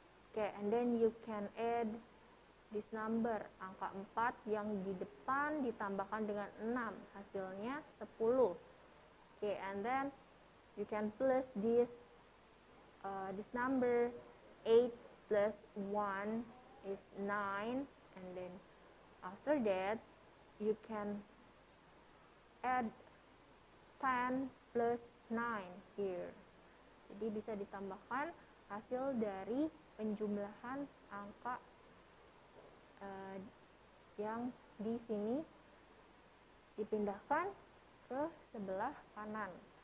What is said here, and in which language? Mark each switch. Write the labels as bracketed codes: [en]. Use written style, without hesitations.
[en] Okay, and then you can add this number, [id] angka 4 yang di depan ditambahkan dengan 6, hasilnya 10. [en] Okay, and then you can plus this. This number 8 plus 1 is 9, and then after that you can add 10 plus 9 here. [id] Jadi bisa ditambahkan hasil dari penjumlahan angka yang di sini dipindahkan ke sebelah kanan.